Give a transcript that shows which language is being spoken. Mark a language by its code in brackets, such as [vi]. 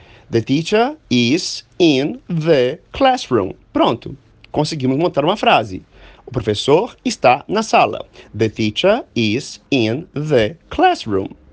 [en] The teacher is in the classroom. [pt] Pronto. Conseguimos montar uma frase. O professor está na sala. [en] The teacher is in the classroom.